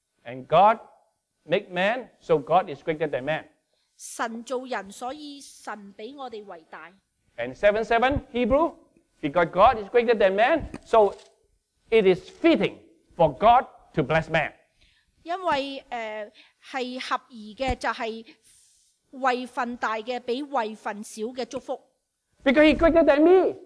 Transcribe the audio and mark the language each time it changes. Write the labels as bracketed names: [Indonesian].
[English] And God make man, so God is greater than man. [Cantonese] 神造人，所以神比我哋伟大。 [English] And 7:7 Hebrew, because God is greater than man, so it is fitting for God to bless man. [Cantonese] 因为系合宜嘅，就系位份大嘅比位份小嘅祝福。 [English] Because he's greater than me.